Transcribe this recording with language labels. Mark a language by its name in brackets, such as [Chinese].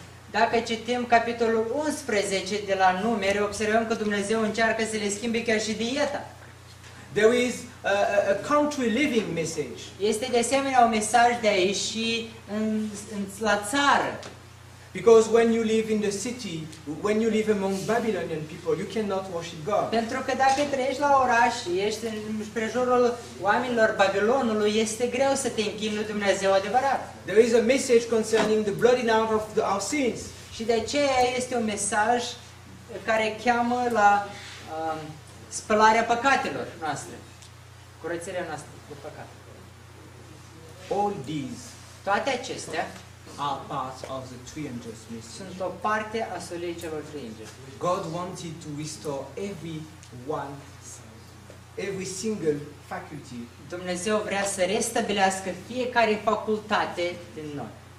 [Romanian] Dacă citim capitolul 11 de la Numeri, observăm că Dumnezeu încearcă să le schimbe chiar și dieta. [English] There is a country living message. [Romanian] Este de asemenea un mesaj de a ieși la țară. [English] Because when you live in the city, when you live among Babylonian people, you cannot worship God. [Romanian] Pentru că dacă trăiești la oraș și ești în împrejurul oamenilor Babilonului, este greu să te închini lui Dumnezeu adevărat. [English] There is a message concerning the blotting out of our sins. [Romanian] Și de aceea este un mesaj care cheamă la spălarea păcatelor noastre. Curățirea noastră cu păcat. [English] All these. [Romanian] Toate acestea [English] are part of the three angels' message. [Romanian] Sunt o parte a solei celor trei îngeri. [English] God wanted to restore every one, every single faculty. [Romanian] Dumnezeu vrea să restabilească fiecare facultate din noi.